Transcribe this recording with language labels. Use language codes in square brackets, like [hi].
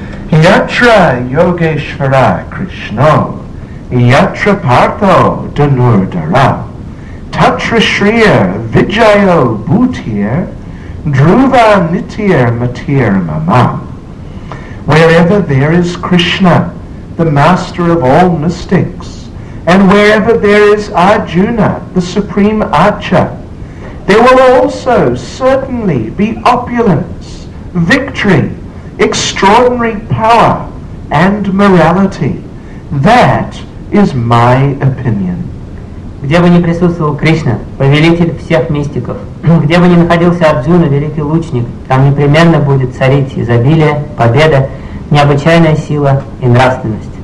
[sa] Ятра Йогешвара Кришно, Ятра Парто Данурдара, Татра Шрия Виджайо Бутир, Друва Нитир Матир Мама. [en] Wherever there is Krishna, the master of all mystics, and wherever there is Arjuna, the supreme archer, there will also certainly be opulence, victory, extraordinary power, and morality. That is my opinion. [ru] Где бы ни присутствовал Кришна, повелитель всех мистиков, где бы ни находился Арджуна, великий лучник, там непременно будет царить изобилие, победа, необычайная сила и нравственность.